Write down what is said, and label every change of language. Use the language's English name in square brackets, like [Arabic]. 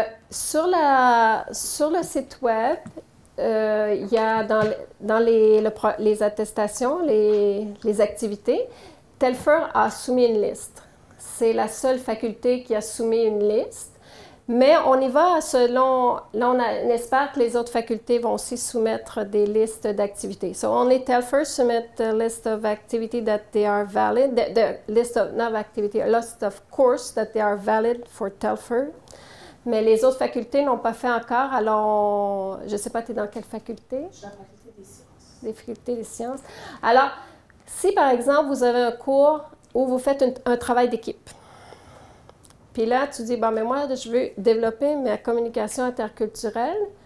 [French] Sur le site web, il y a dans les attestations, les activités, TELFR a soumis une liste. C'est la seule faculté qui a soumis une liste. Mais on y va selon, là on espère que les autres facultés vont aussi soumettre des listes d'activités. [English] So only Telfer submit the list of activities that they are valid, the list of, not activity, a list of course that they are valid for Telfer. [French] Mais les autres facultés n'ont pas fait encore, alors je ne sais pas, tu es dans quelle faculté? Je suis dans la faculté des sciences. Des facultés des sciences. Alors, si par exemple vous avez un cours où vous faites un travail d'équipe, puis là, tu dis, mais moi, je veux développer ma communication interculturelle.